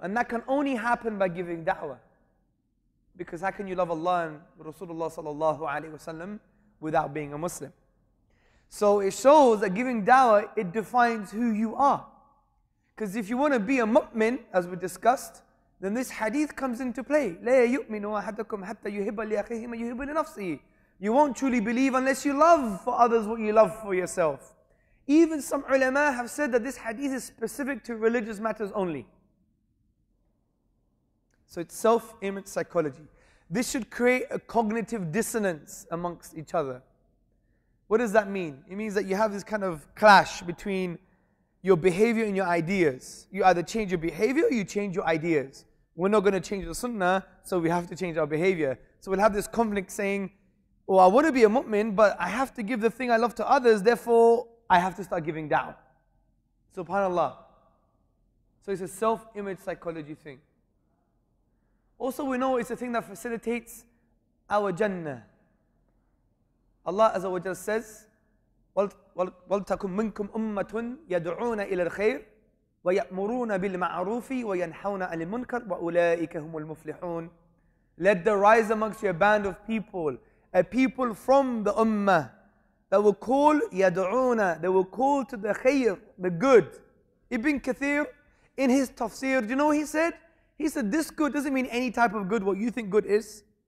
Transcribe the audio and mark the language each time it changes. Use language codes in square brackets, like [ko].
[en] And that can only happen by giving da'wah. Because how can you love Allah and Rasulullah sallallahu alayhi wasallam without being a Muslim? So it shows that giving da'wah, it defines who you are. Because if you want to be a mu'min, as we discussed, then this hadith comes into play. [ar] لا يؤمن أحدكم حتى يحب لأخيه ما يحب لنفسه. [en] You won't truly believe unless you love for others what you love for yourself. Even some ulama have said that this hadith is specific to religious matters only. So it's self-image psychology. This should create a cognitive dissonance amongst each other. What does that mean? It means that you have this kind of clash between your behavior and your ideas. You either change your behavior or you change your ideas. We're not going to change the sunnah, so we have to change our behavior. So we'll have this conflict saying, well, I want to be a mu'min, but I have to give the thing I love to others, therefore I have to start giving down. SubhanAllah. So it's a self-image psychology thing. Also, we know it's a thing that facilitates our Jannah. Allah Azza wa Jalla says, [ar] وَلْتَكُمْ مِنْكُمْ أُمَّةٌ يَدْعُونَ إِلَى الْخَيْرِ وَيَأْمُرُونَ بِالْمَعْرُوفِ وَيَنْحَوْنَ عَنِ الْمُنْكَرِ وَأُولَٰئِكَ هُمُ الْمُفْلِحُونَ. [en] Let there rise amongst you a band of people, a people from the ummah, that will call يَدْعُونَ, they will call to the khayr, the good. Ibn Kathir, in his tafsir, do you know what he said? He said, this good doesn't mean any type of good, what you think good is.